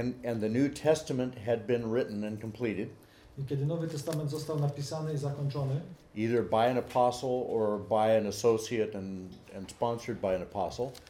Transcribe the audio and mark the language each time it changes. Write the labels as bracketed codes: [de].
[en] And the New Testament had been written and completed. [pl] I kiedy Nowy Testament został napisany i zakończony, [en] either by an apostle or by an associate and sponsored by an apostle,